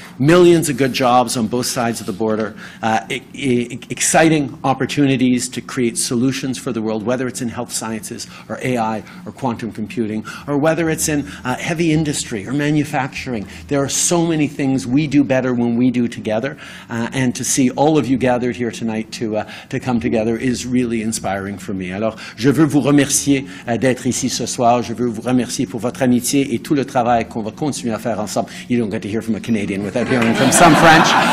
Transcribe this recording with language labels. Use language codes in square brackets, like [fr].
[en] Millions of good jobs on both sides of the border, exciting opportunities to create solutions for the world, whether it's in health sciences or AI or quantum computing, or whether it's in heavy industry or manufacturing. There are so many things we do better when we do together, and to see all of you gathered here tonight to come together is really inspiring for me. [fr] Alors, je veux vous remercier d'être ici ce soir. Je veux vous remercier pour votre amitié et tout le travail qu'on va continuer à faire ensemble. [en] You don't get to hear from a Canadian without hearing from some French.